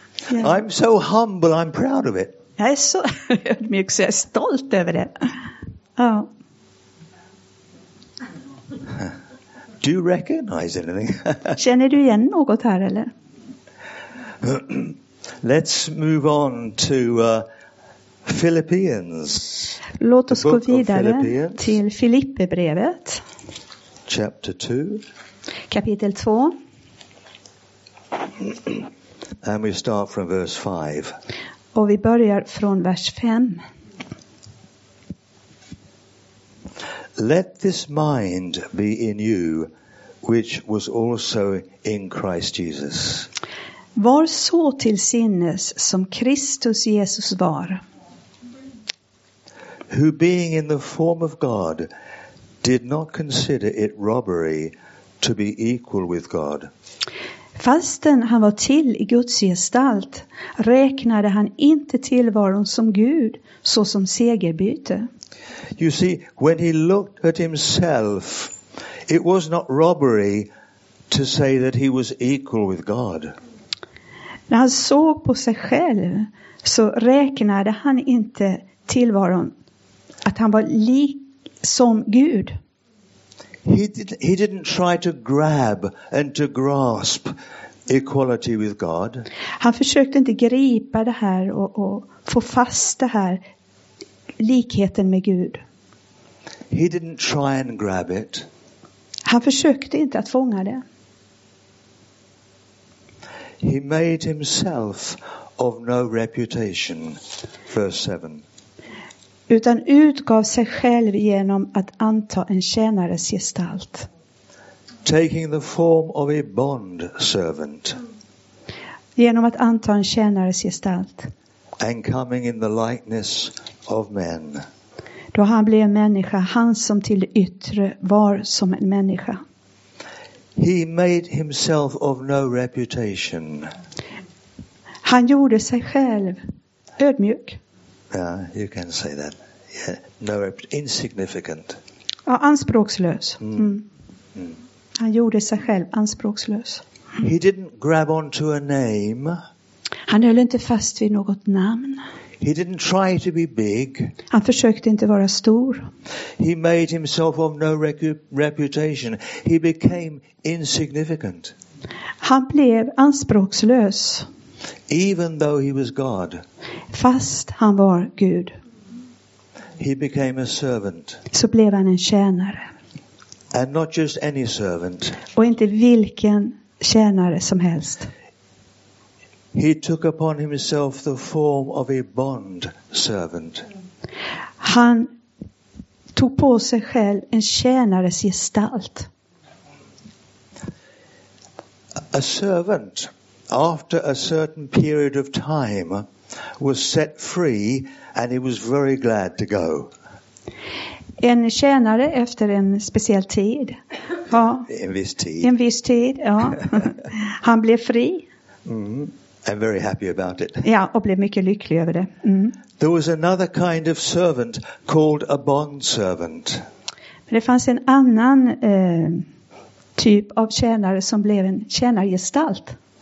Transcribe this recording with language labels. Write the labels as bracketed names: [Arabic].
[English] I'm so humble, I'm proud of it. [Swedish] Jag är så ödmjuk så jag är stolt över det. Ja. Oh. [English] Do you recognize anything? [Swedish] Känner du igen något här eller? [English] Let's move on to Philippians. [Swedish] Låt oss gå vidare till Filipperbrevet. [English] Chapter 2. [Swedish] Kapitel 2. [English] And we start from verse 5. [Swedish] Och vi börjar från vers 5. [English] Let this mind be in you, which was also in Christ Jesus. [Swedish] Var så till sinnes som Kristus Jesus var. [English] Who being in the form of God did not consider it robbery to be equal with God. [Swedish] Fastän han var till i Guds gestalt räknade han inte tillvaron som Gud så som segerbyte. [English] You see, when he looked at himself, it was not robbery to say that he was equal with God. [Swedish] När han såg på sig själv så räknade han inte tillvaron att han var lik som Gud. [English] He didn't try to grab and to grasp equality with God. [Swedish] Han försökte inte gripa det här och få fast det här likheten med Gud. [English] He didn't try and grab it. [Swedish] Han försökte inte att fånga det. [English] He made himself of no reputation, verse 7. [Swedish] Utan utgav sig själv genom att anta en tjänares gestalt. [English] Taking the form of a bond servant. [Swedish] Genom att anta en tjänares gestalt. [English] And coming in the likeness of men. [Swedish] Då han blev en människa, han som till det yttre var som en människa. [English] He made himself of no reputation. [Swedish] Han gjorde sig själv ödmjuk. [English] Yeah, you can say that. Yeah, no, insignificant. [Swedish] Ja, anspråkslös. Mm. Mm. Han gjorde sig själv anspråkslös. [English] He didn't grab onto a name. [Swedish] Han höll inte fast vid något namn. [English] He didn't try to be big. [Swedish] Han försökte inte vara stor. [English] He made himself of no reputation. He became insignificant. [Swedish] Han blev anspråkslös. [English] Even though he was God. [Swedish] Fast han var Gud. [English] He became a servant. [Swedish] Så blev han en tjänare. [English] And not just any servant. [Swedish] Och inte vilken tjänare som helst. [English] He took upon himself the form of a bond servant. [Swedish] Han tog på sig själv en tjänares gestalt. [English] A servant, after a certain period of time, was set free and he was very glad to go. [Swedish] En tjänare efter en speciell tid. Ja. En viss tid. En viss tid, ja. Han blev fri. [English] I'm very happy about it. [Swedish] Ja, och blev mycket lycklig över det. [English] There was another kind of servant called a bond servant. [Swedish] Men det fanns en annan typ av tjänare som blev en tjänargestalt.